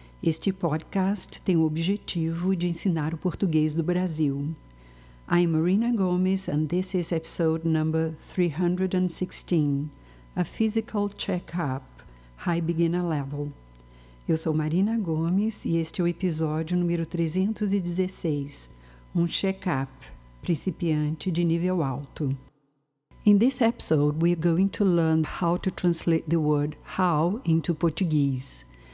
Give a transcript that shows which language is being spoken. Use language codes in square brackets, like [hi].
[pt] Este podcast tem o objetivo de ensinar o português do Brasil. [en] I'm Marina Gomes and this is episode number 316, A Physical Checkup, High Beginner Level. [pt] Eu sou Marina Gomes e este é o episódio número 316, um check-up, principiante de nível alto. [en] In this episode, we are going to learn how to translate the word how into Portuguese.